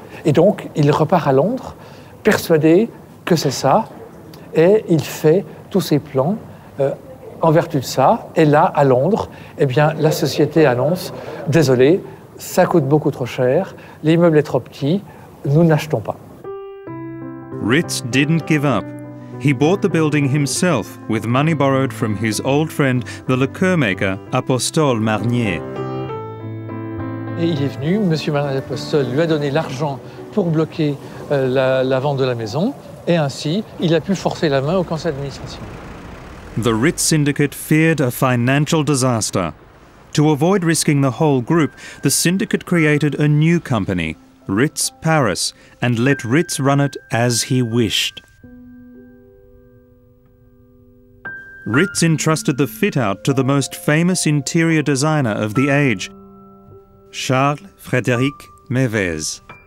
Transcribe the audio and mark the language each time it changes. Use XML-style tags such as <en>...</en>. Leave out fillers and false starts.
<fr>Et donc, il repart à Londres, persuadé que c'est ça, et il fait tous ses plans en vertu de ça. Et là, à Londres, eh bien, la société annonce « Désolé, ça coûte beaucoup trop cher, l'immeuble est trop petit, nous n'achetons pas. »</fr> <en>Ritz didn't give up. He bought the building himself with money borrowed from his old friend, the liqueur maker, Apostol Marnier.</en> <fr>Et il est venu, M. Marnier Apostol lui a donné l'argent pour bloquer la vente de la maison, et ainsi, il a pu forcer la main au conseil d'administration.</fr> <en>The Ritz Syndicate feared a financial disaster. To avoid risking the whole group, the syndicate created a new company, Ritz Paris, and let Ritz run it as he wished. Ritz entrusted the fit-out to the most famous interior designer of the age, Charles Frédéric Mévez.</en>